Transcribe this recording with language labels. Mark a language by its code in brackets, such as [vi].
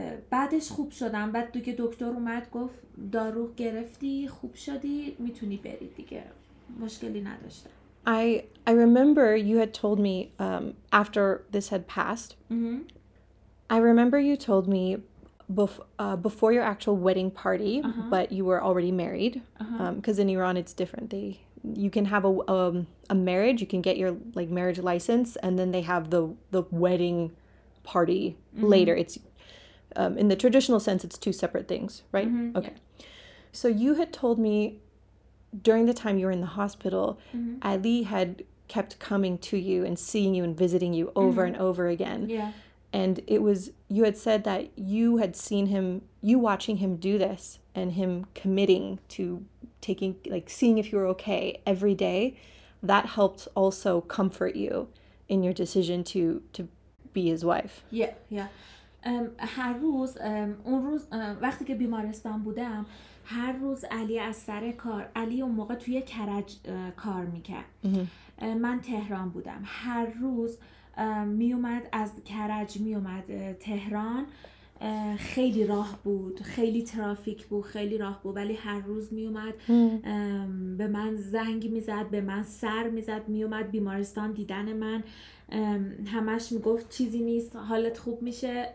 [fa] بعدش خوب شدم. بعد دیگه دکتر اومد گفت دارو گرفتی، خوب شدی، میتونی بری دیگه، مشکلی نداشتم. [en] I remember you had told me after this had passed. I remember you told me before your actual wedding party, but you were already married. Because in Iran it's different. You can have a marriage. You can get your like marriage license, and then they have the wedding party later. It's in the traditional sense, it's two separate things, right? Mm-hmm. Okay. Yeah. So you had told me during the time you were in the hospital, Ali had kept coming to you and seeing you and visiting you over and over again. Yeah. And it was, you had said that you had seen him, you watching him do this and him committing to taking, like seeing if you were okay every day, that helped also comfort you in your decision to be his wife. Yeah, yeah. [fa] هر روز اون روز وقتی که بیمارستان بودم، هر روز علی از سر کار، علی اون موقع توی کرج کار میکرد، من تهران بودم، هر روز میومد از کرج میومد تهران، خیلی راه بود، خیلی ترافیک بود، خیلی راه بود، ولی هر روز میومد به من زنگ میزد، به من سر میزد، میومد بیمارستان دیدن من، همش میگفت چیزی نیست، حالت خوب میشه.